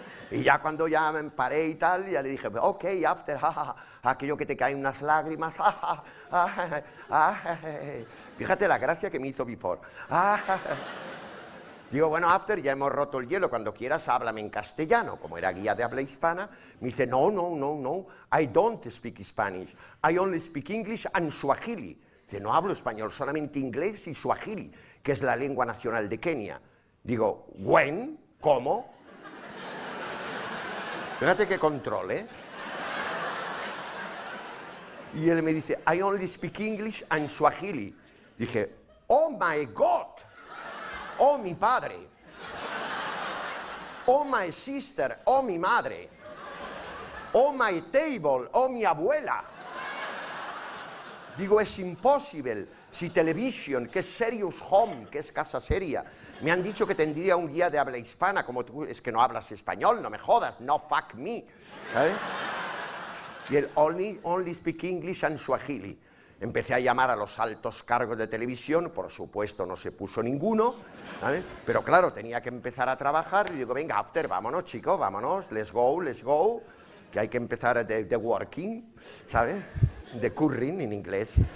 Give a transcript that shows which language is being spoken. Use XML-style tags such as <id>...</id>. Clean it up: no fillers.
<es>Y ya cuando ya me paré y tal, ya le dije,</es> <en>ok, after,</en> <es>ja, ja, ja. Aquello que te caen unas lágrimas. Ah, ah, ah, ah, ah, fíjate la gracia que me hizo</es> <en>before.</en> <es>Ah, ah, digo, bueno,</es> <en>after,</en> <es>ya hemos roto el hielo. Cuando quieras, háblame en castellano. Como era guía de habla hispana, me dice, no, no, no, no.</es> <en>I don't speak Spanish. I only speak English and Swahili.</en> <es>Dice, no hablo español, solamente inglés y Swahili, que es la lengua nacional de Kenia. Digo,</es> <en>when,</en> <es>¿cómo? Fíjate qué control, ¿eh? Y él me dice,</es> <en>I only speak English and Swahili.</en> <es>Dije,</es> <en>oh my God,</en> <es>oh mi padre,</es> <en>oh my sister,</en> <es>oh mi madre,</es> <en>oh my table,</en> <es>oh mi abuela. Digo, es imposible, si</es> <en>television,</en> <es>que es</es> <en>serious home,</en> <es>que es casa seria. Me han dicho que tendría un guía de habla hispana, como tú, es que no hablas español, no me jodas,</es> <en>no fuck me.</en> <es>¿Eh? Y el</es> <en>only speak English and Swahili.</en> <es>Empecé a llamar a los altos cargos de televisión, por supuesto no se puso ninguno, ¿vale? Pero claro, tenía que empezar a trabajar y digo, venga,</es> <en>after,</en> <es>vámonos, chicos, vámonos,</es> <en>let's go,</en> <es>que hay que empezar de</es> <en>working,</en> <es>¿sabes? De curring en inglés.</es>